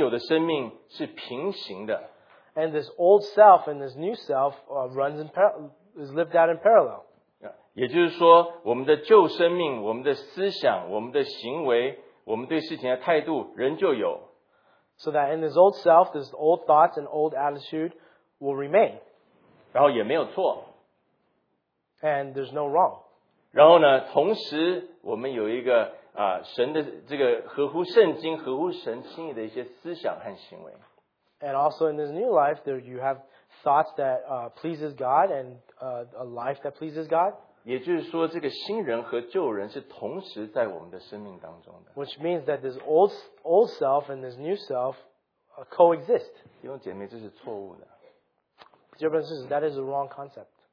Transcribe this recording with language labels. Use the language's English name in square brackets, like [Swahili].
[Chinese] 我们这个旧有的生命跟新有的生命是平行的， [English] And this old self and this new self is lived out in parallel. [Chinese] 也就是说，我们的旧生命、我们的思想、我们的行为、我们对事情的态度仍旧有， [English] So that in this old self, this old thoughts and old attitude will remain. [Chinese] 然后也没有错。 [English] And there's no wrong. [Chinese] 然后呢，同时我们有一个神的这个合乎圣经、合乎神心意的一些思想和行为。 [English] And also in this new life, there you have thoughts that pleases God and a life that pleases God. [Chinese] 也就是说，这个新人和旧人是同时在我们的生命当中的。 [English] Which means that this old self and this new self coexist. [Chinese] 弟兄姐妹，这是错误的。 [English] Dear brothers, that is a wrong concept.